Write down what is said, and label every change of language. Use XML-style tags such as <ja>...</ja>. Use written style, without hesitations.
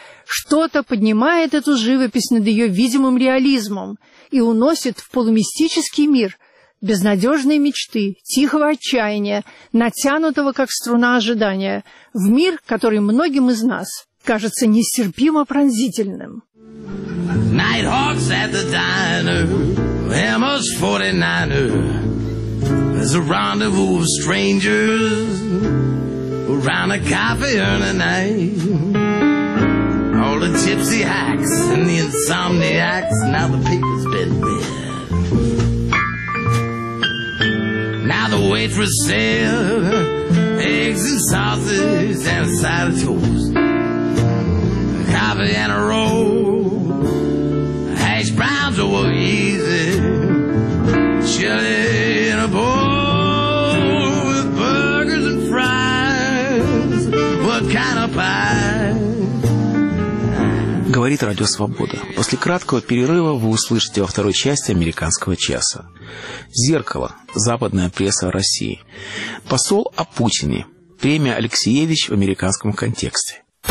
<ru>Что-то поднимает эту живопись над ее видимым реализмом и уносит в полумистический мир безнадежной мечты, тихого отчаяния, натянутого, как струна ожидания, в мир, который многим из нас кажется нестерпимо пронзительным.</ru> <en>Nighthawks at the diner, MS 49er. There's a rendezvous of strangers around a coffee in the night. All the gypsy hacks and the insomniacs, now the paper's been read. Now the waitress said, eggs and sausage and a side of toast. Coffee and a roll, hash browns were easy. Chili in a bowl with burgers and fries. What kind of pie?</en> <ru>Говорит Радио Свобода. После краткого перерыва вы услышите во второй части «Американского часа». «Зеркало. Западная пресса России». «Посол о Путине». Премия «Алексеевич» в американском контексте.</ru>